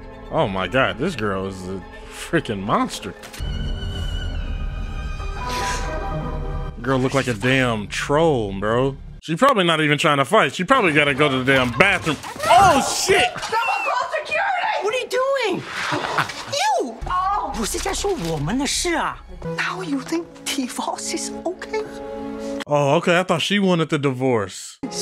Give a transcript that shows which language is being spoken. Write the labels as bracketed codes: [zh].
[en] Oh my God, this girl is a freaking monster. Girl look like a damn troll, bro. She probably not even trying to fight. She probably gotta go to the damn bathroom. Oh shit! Someone call security! What are you doing? You! [zh] Oh, 不是在说我们的事啊? [en] Now you think divorce is okay? Oh, okay, I thought she wanted the divorce.